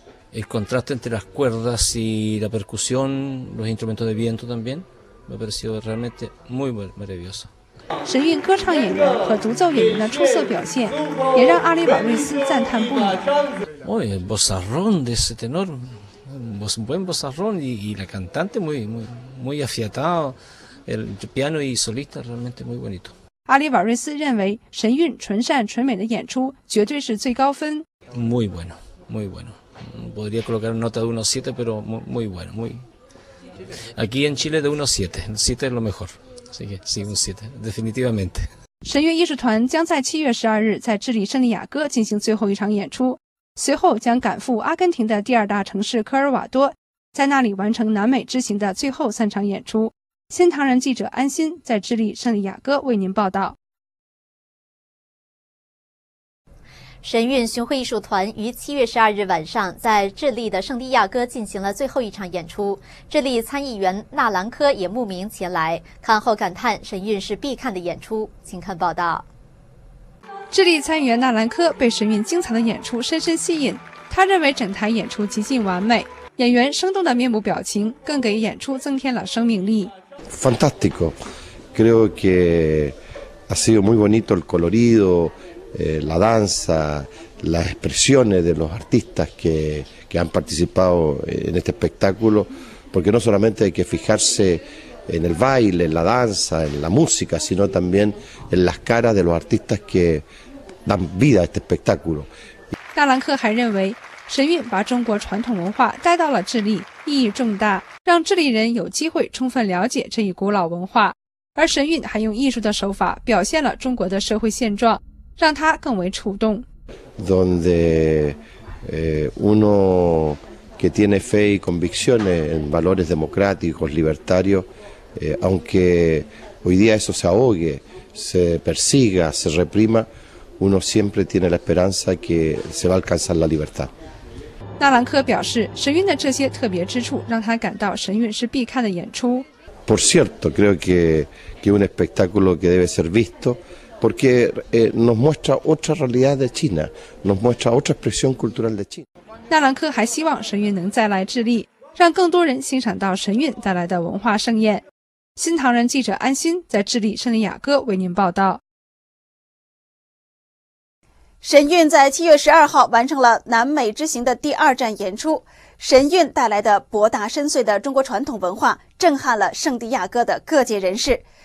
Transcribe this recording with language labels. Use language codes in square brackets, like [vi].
[es] El contraste entre las cuerdas y la percusión, los instrumentos de viento también, me ha parecido realmente muy maravilloso. [zh] 神韵歌唱演员和独奏演员的出色表现也让阿里瓦瑞斯赞叹不已。 [es] Oh, el vozarrón de ese tenor, un buen vozarrón y la cantante muy, muy, muy afiatado, el piano y solista realmente muy bonito. [zh] 阿里瓦瑞斯认为神韵纯善纯美的演出绝对是最高分。 [es] Muy bueno, muy bueno. Podría colocar nota de 1-7, pero muy, muy bueno. Muy... Aquí en Chile de 1-7. 7 es lo mejor. Así que sí, un 7, definitivamente. [zh] 神韵艺术团将在7月12日在智利圣地亚哥进行最后一场演出，随后将赶赴阿根廷的第二大城市科尔瓦多，在那里完成南美之行的最后三场演出。新唐人记者安心在智利圣地亚哥为您报道。神韵巡回艺术团于7月12日晚上在智利的圣地亚哥进行了最后一场演出，智利参议员纳兰科也慕名前来，看后感叹神韵是必看的演出。请看报道。智利参议员纳兰科被神韵精彩的演出深深吸引，他认为整台演出极尽完美，演员生动的面部表情更给演出增添了生命力。 [es] Fantástico, creo que ha sido muy bonito el coloridoLa danza, las expresiones de los artistas que han participado en este espectáculo, porque no solamente hay que fijarse en el baile, en la danza, en la música, sino también en las caras de los artistas que dan vida a este espectáculo. [zh] 纳兰科还认为，神韵把中国传统文化带到了智利，意义重大，让智利人有机会充分了解这一古老文化。而神韵还用艺术的手法表现了中国的社会现状。让他更为触动。 [es] Donde uno que tiene fe y convicciones en valores democráticos, libertarios, aunque hoy día eso se ahogue, se persiga, se reprima, uno siempre tiene la esperanza que se va a alcanzar la libertad. [zh] 纳兰科表示，神韵的这些特别之处让他感到神韵是必看的演出。 [es] Por cierto, creo que un espectáculo que debe ser visto. Porque nos muestra otra realidad de China, nos muestra otra expresión cultural de China. [zh] 纳兰科还希望神韵能再来智利，让更多人欣赏到神韵带来的文化盛宴。新唐人记者安心在智利圣地亚哥为您报道。神韵在7月12号完成了南美之行的第二站演出，神韵带来的博大深邃的中国传统文化震撼了圣地亚哥的各界人士。